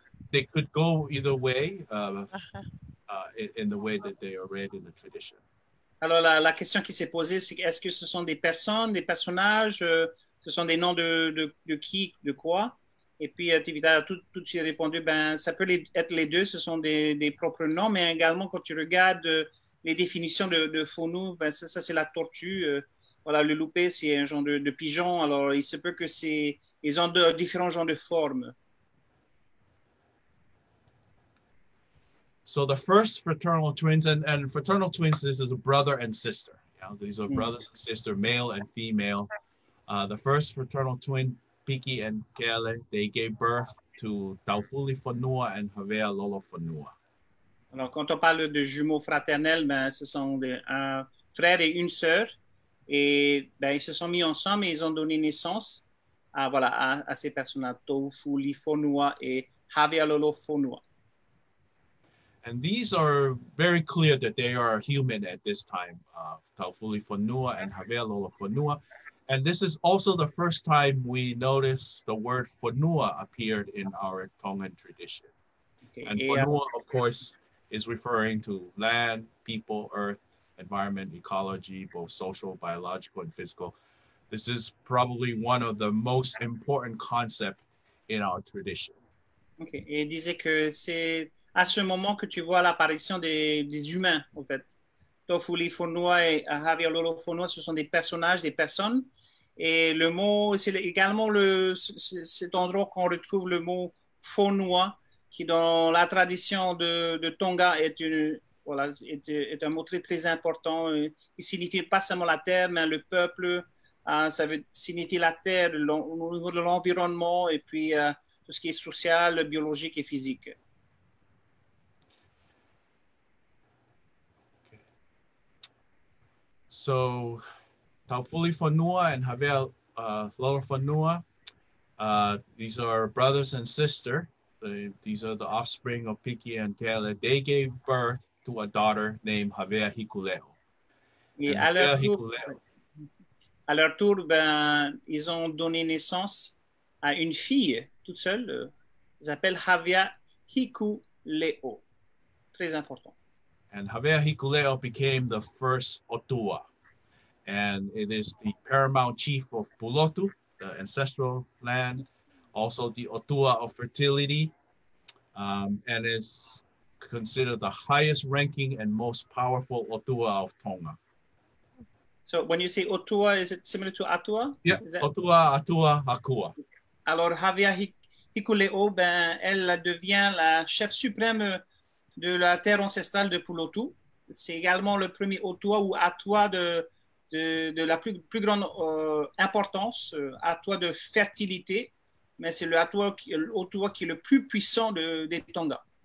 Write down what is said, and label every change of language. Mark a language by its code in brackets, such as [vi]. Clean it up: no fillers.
[en] They could go either way, in the way that they are read in the tradition. [fr] Alors, la question qui s'est posée, c'est est-ce que ce sont des personnes, des personnages, ce sont des noms de qui, de quoi? Et puis, Tivita a tout de suite répondu, ben, ça peut être les deux, ce sont des propres noms, mais également, quand tu regardes les définitions de Fonu, ben, ça c'est la tortue. Voilà, le loupé, c'est un genre de pigeon. Alors, il se peut que c'est, ils ont différents genres de formes. [en] So the first fraternal twins, and fraternal twins, this is a brother and sister. You know, these are brothers and sister, male and female. The first fraternal twin, Piki and Kele, they gave birth to Taufuli Fonua and Havea Lolo Fonua. [fr] Alors, quand on parle de jumeaux fraternels, ben, ce sont un frère et une sœur. Et ben, ils se sont mis ensemble et ils ont donné naissance à ces personnes-là, Taufuli Fonua et Havea Lolo Fonua. [en] And these are very clear that they are human at this time, Taufuli Fonua and Havea Lolo Fonua. And this is also the first time we notice the word Fonua appeared in our Tongan tradition. Okay. And Fonua, of course, is referring to land, people, earth, environment, ecology, both social, biological, and physical. This is probably one of the most important concepts in our tradition. [fr] Okay, et disait que c'est à ce moment que tu vois l'apparition des humains, en fait. Taufuli Fonua et Havea Lolo Fonua, ce sont des personnages, des personnes. Et le mot, c'est également cet endroit qu'on retrouve le mot Fonua, qui dans la tradition de Tonga est une, Voilà, est un mot très, très important. Il signifie pas seulement la terre, mais le peuple. Ça veut signifier la terre, au niveau de l'environnement, et puis tout ce qui est social, biologique et physique. [en] So, Taufuli Fanua and Havel Lola Fanua, these are brothers and sister. These are the offspring of Piki and Tele. They gave birth to a daughter named Havea Hikuleʻo. [fr] À leur tour, ils ont donné naissance à une fille toute seule. Elle s'appelle Havea Hikuleʻo. Très important. [en] And Havea Hikuleʻo became the first Otua. And it is the paramount chief of Pulotu, the ancestral land, also the Otua of fertility, and is considered the highest ranking and most powerful Otua of Tonga. So when you say Otua, is it similar to Atua? Yeah, Otua, Atua, Akua. [fr] Alors, Havea Hikuleʻo, elle devient la chef suprême de la terre ancestrale de Pulotu. C'est également le premier Otua ou Atua de la plus grande importance, Atua de fertilité, mais c'est le Atua qui est le plus puissant des Tonga.